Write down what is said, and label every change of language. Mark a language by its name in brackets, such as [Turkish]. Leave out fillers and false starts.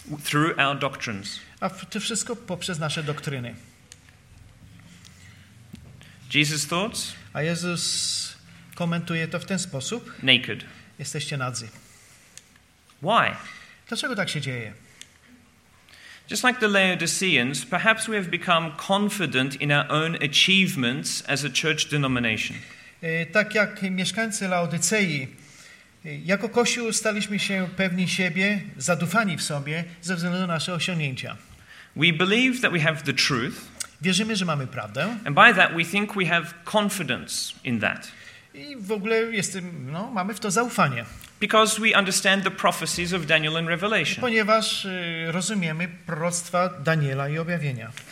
[English] Through our doctrines. [Polish] A to wszystko poprzez nasze doktryny. [English] Jesus thoughts? [Polish] A Jezus komentuje to w ten sposób. [English] Naked. [Polish] Jesteście nadzy. [English] Why? [Polish] Dlaczego tak się dzieje? [English] Just like the Laodiceans, perhaps we have become confident in our own achievements as a church denomination. [Polish] Tak jak mieszkańcy Laodycei, jako Kościół staliśmy się pewni siebie, zadufani w sobie ze względu na nasze osiągnięcia. [English] We believe that we have the truth. [Polish] Wierzymy, że mamy prawdę. [English] And by that we think we have confidence in that. [Polish] I w ogóle mamy w to zaufanie. [English] Because we understand the prophecies of Daniel and Revelation. [Polish] Ponieważ rozumiemy proroctwa Daniela i objawienia.